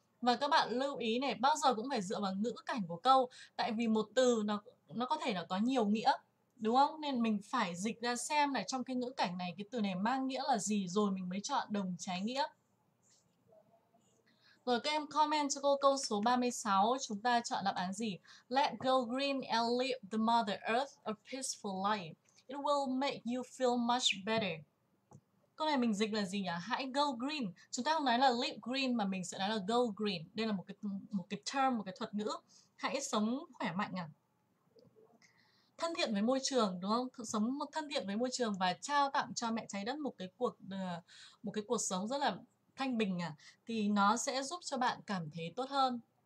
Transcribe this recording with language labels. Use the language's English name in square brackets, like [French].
[Vietnamese] Và các bạn lưu ý này, bao giờ cũng phải dựa vào ngữ cảnh của câu, tại vì một từ nó có thể là có nhiều nghĩa, đúng không? Nên mình phải dịch ra xem là trong cái ngữ cảnh này cái từ này mang nghĩa là gì rồi mình mới chọn đồng trái nghĩa. Rồi các em comment cho cô câu số 36 chúng ta chọn đáp án gì? [English] Let go green and leave the mother earth a peaceful life. It will make you feel much better. [Vietnamese] Câu này mình dịch là gì nhỉ? Hãy go green. Chúng ta không nói là leave green mà mình sẽ nói là go green. Đây là một cái term, một cái thuật ngữ. Hãy sống khỏe mạnh à? Thân thiện với môi trường đúng không? Sống một thân thiện với môi trường và trao tặng cho mẹ trái đất một cái cuộc sống rất là thanh bình à, thì nó sẽ giúp cho bạn cảm thấy tốt hơn.